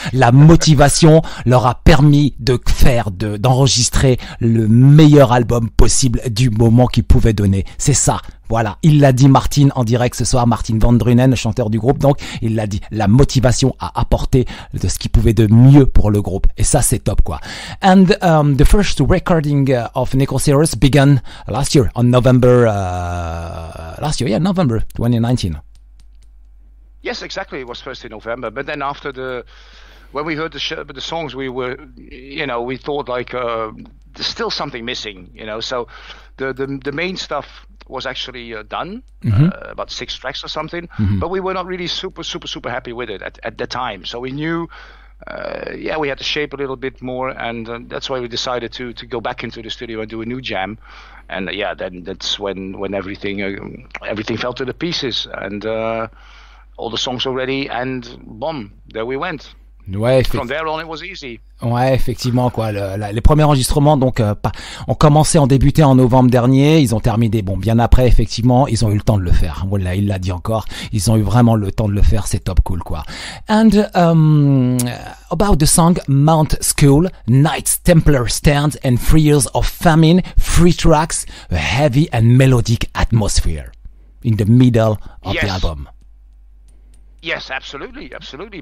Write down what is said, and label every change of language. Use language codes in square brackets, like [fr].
[fr] La motivation leur a permis de faire, d'enregistrer le meilleur album possible du moment qu'ils pouvaient donner. C'est ça. Voilà, il l'a dit Martin en direct ce soir, Martin Van Drunen, le chanteur du groupe. Donc, il l'a dit, la motivation à apporter de ce qu'il pouvait de mieux pour le groupe. Et ça, c'est top, quoi. [en] And the first recording of Necrosirus began last year, on November, November 2019. Yes, exactly, it was first in November. But then after the, when we heard the songs, we were, you know, we thought like, there's still something missing, you know. So, the main stuff was actually done, about six tracks or something, but we were not really super happy with it at the time. So we knew, we had to shape a little bit more, and that's why we decided to go back into the studio and do a new jam. And then that's when everything fell to the pieces, and all the songs were ready, and boom, there we went. [fr] Ouais, [en] from there on it was easy. [fr] Ouais, effectivement, quoi. Les premiers enregistrements, donc, ont commencé, ont débuté en novembre dernier. Ils ont terminé, bon, bien après, effectivement, ils ont eu le temps de le faire. Voilà, il l'a dit encore. Ils ont eu vraiment le temps de le faire. C'est top cool, quoi. [en] And, about the song Mount School, Knights Templar Stands and 3 Years of Famine, 3 tracks, a heavy and melodic atmosphere in the middle of the album. Yes, absolutely, absolutely.